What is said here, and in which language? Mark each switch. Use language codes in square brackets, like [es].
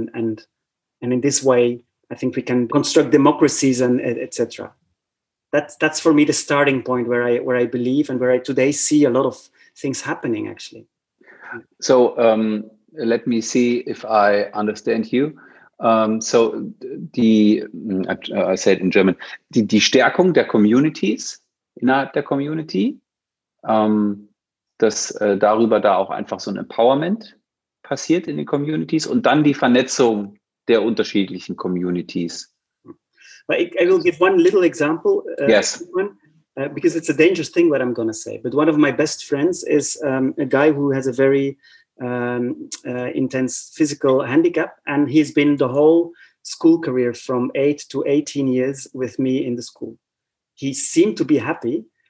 [en] And in this way, I think we can construct democracies and et cetera. That's for me the starting point where I believe and where I today see a lot of things happening, actually. So let me see if I understand you. [de] So I said in German, die Stärkung der Communities innerhalb der Community, dass darüber da auch einfach so ein Empowerment passiert in den Communities und dann die Vernetzung der unterschiedlichen Communities. [en] But I will give one little example. Yes. Because it's a dangerous thing what I'm going to say. But one of my best friends is a guy who has a very intense physical handicap. And he's been the whole school career from 8 to 18 years with me in the school. He seemed to be happy.